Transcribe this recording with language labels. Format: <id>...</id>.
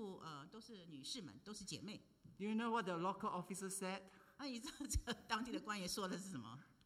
<zh>我的同工都是女士们，都是姐妹。</zh> <en>Do you know what the local officer said?</en> <zh>你知道这个当地的官员说的是什么？</zh>